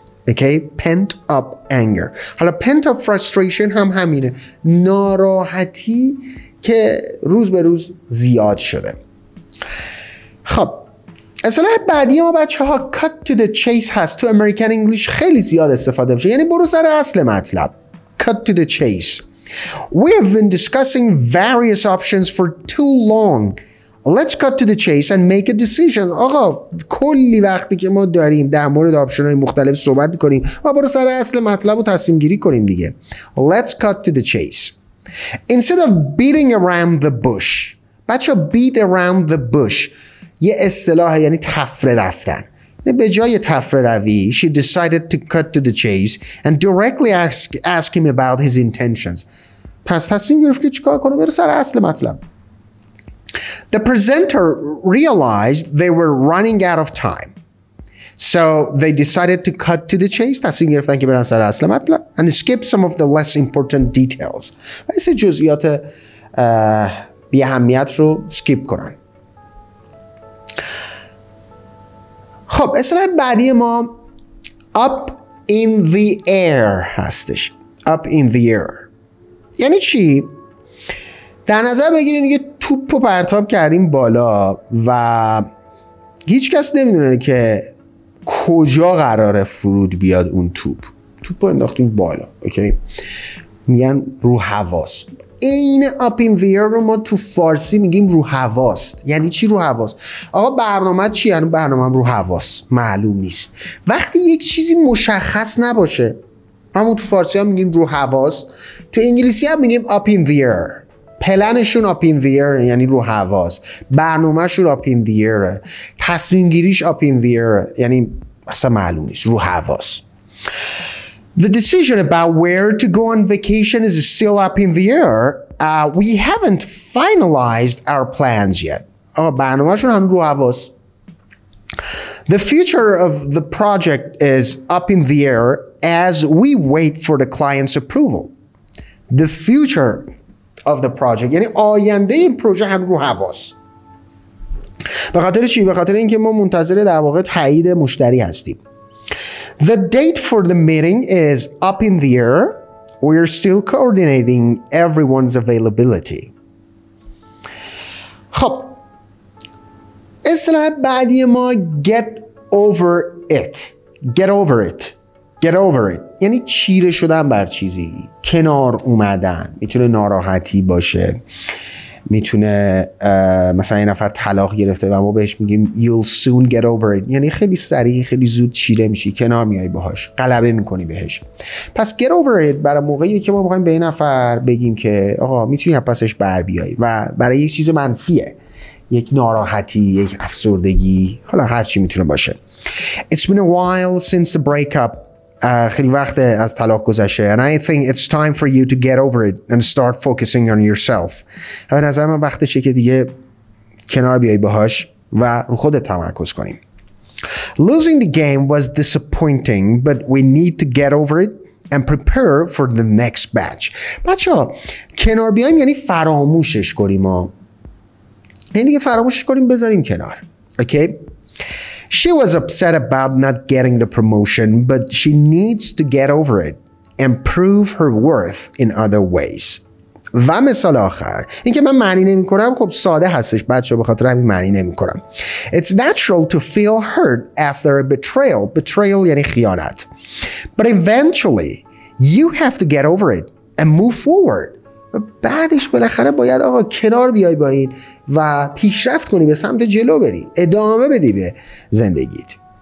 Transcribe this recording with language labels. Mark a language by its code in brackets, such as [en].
[en] Okay, pent up anger. [fa] حالا [en] pent up frustration [fa] هم همینه، ناراحتی که روز به روز زیاد شده. خب اصطلاح بعدی ما بچه ها [en] cut to the chase [fa] هست، تو American English خیلی زیاد استفاده میشه، یعنی برو سر اصل مطلب. [en] cut to the chase. We have been discussing various options for too long. Let's cut to the chase and make a decision. [fa] آقا کلی وقتی که ما داریم در مورد آپشن های مختلف صحبت میکنیم، ما برو سر اصل مطلب و تصمیم گیری کنیم دیگه. [en] Let's cut to the chase. Instead of beating around the bush. [fa] بچه [en] beat around the bush [fa] یه اصطلاح یعنی تفره رفتن. به جای تفره روی، [en] she decided to cut to the chase and directly ask him about his intentions. [fa] پس تصمیم گرفت که چیکار کنه، برو سر اصل مطلب. [en] The presenter realized they were running out of time. So they decided to cut to the chase. [fa] تصمیم گرفتن که برن سر اصل مطلب [en] and skip some of the less important details. [fa] بسی جزئیات بی اهمیت رو skip کنن. خب اصطلاح بعدی ما [en] up in the air [fa] هستش. [en] Up in the air. [fa] یعنی چی؟ در نظر بگیرین یه توپ رو پرتاب کردیم بالا و هیچ کس نمیدونه که کجا قراره فرود بیاد اون توپ. توپ رو انداختیم بالا، اوکی؟ میگن رو هواست. این [en] up in the air [fa] رو ما تو فارسی میگیم رو هواست. یعنی چی رو هواست؟ آقا برنامه چی؟ یعنی برنامه هم رو هواست، معلوم نیست. وقتی یک چیزی مشخص نباشه، همون تو فارسی هم میگیم رو هواست، تو انگلیسی هم میگیم [en] up in the air. [fa] پلنشون [en] up in the air [fa] یعنی رو هواست، برنامهشون up in the air، تصمیم گیریش up in the air یعنی اصلا معلوم نیست، رو هواست. [en] The decision about where to go on vacation is still up in the air. We haven't finalized our plans yet. [fa] آقا برنامهشون هنوز رو هواست. [en] The future of the project is up in the air as we wait for the client's approval. The future of the project [fa] یعنی آینده این پروژه هنوز رو هواست. به خاطر چی؟ به خاطر اینکه ما منتظر در واقع تایید مشتری هستیم. [en] The date for the meeting is up in the air. We are still coordinating everyone's availability. [fa] خب اصطلاح بعدی ما [en] get over it. Get over it. Get over it. [fa] یعنی چیره شدن بر چیزی، کنار اومدن. میتونه ناراحتی باشه، میتونه مثلا یه نفر طلاق گرفته و ما بهش میگیم [en] you'll soon get over it، [fa] یعنی خیلی سریع، خیلی زود چیره میشی، کنار میای باهاش، غلبه میکنی بهش. پس [en] get over it [fa] برای موقعی که ما میخوایم به یه نفر بگیم که آقا میتونی پسش بر بیای، و برای یک چیز منفیه، یک ناراحتی، یک افسردگی، حالا هر چی میتونه باشه. [en] It's been a while since the breakup. [fa] خیلی وقت از طلاق گذشته. [en] And I think it's time for you to get over it and start focusing on yourself. [fa] به نظر من وقتشه که دیگه کنار بیای باهاش و رو خودت تمرکز کنیم. [en] Losing the game was disappointing, but we need to get over it and prepare for the next batch. [fa] بچه‌ها کنار بیایم یعنی فراموشش کنیم، یعنی دیگه فراموشش کنیم، بذاریم کنار. [en] Okay. She was upset about not getting the promotion, but she needs to get over it and prove her worth in other ways. [fa] و مثال آخر، اینکه من معنی نمی کنم، خب ساده هستش بچه‌ها، به خاطر همین معنی نمی کنم. [en] It's natural to feel hurt after a betrayal. [fa] Betrayal یعنی خیانت. [en] But eventually you have to get over it and move forward. [fa] و بعدش بالاخره باید آقا کنار بیای با این و پیشرفت کنی، به سمت جلو بری، ادامه بدی به زندگیت.